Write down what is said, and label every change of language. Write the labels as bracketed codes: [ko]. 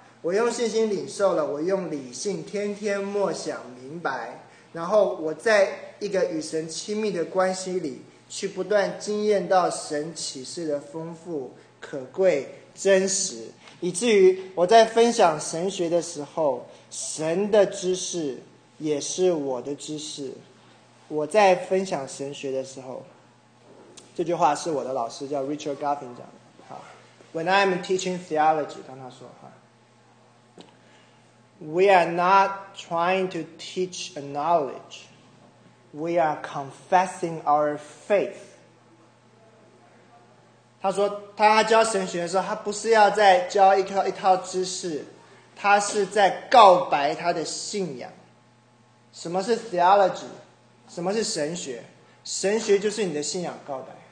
[zh] 我用信心领受了，我用理性天天默想明白，然后我在一个与神亲密的关系里去不断经验到神启示的丰富可贵，真实，以至于我在分享神学的时候，神的知识也是我的知识。我在分享神学的时候，这句话是我的老师叫 Richard Goffin 讲的。 [en] When I'm teaching theology, [zh] 当他说话 [en] We are not trying to teach a knowledge. We are confessing our faith. [zh] 他说他教神学的时候，他不是要再教一套知识，他是在告白他的信仰。什么是 theology? 什么是神学？神学就是你的信仰告白。